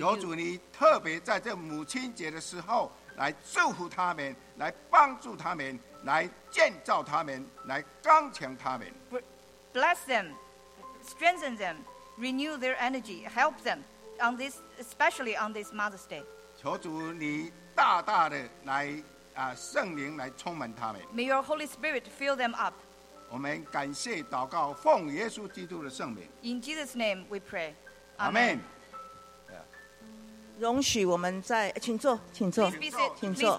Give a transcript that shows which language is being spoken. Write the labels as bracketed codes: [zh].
[en] you. [zh] 求主你特别在这母亲节的时候来祝福他们，来帮助他们，来建造他们，来刚强他们。 [en] Bless them, strengthen them.Renew their energy, help them on this, especially on this Mother's Day. [zh] 求主你大大的来圣灵来充满他们。 [en] May your Holy Spirit fill them up. [zh] 我们感谢祷告，奉耶稣基督的圣名。 [en] In Jesus' name we pray. Amen. [zh] 容许我们在，请坐，请坐，请坐，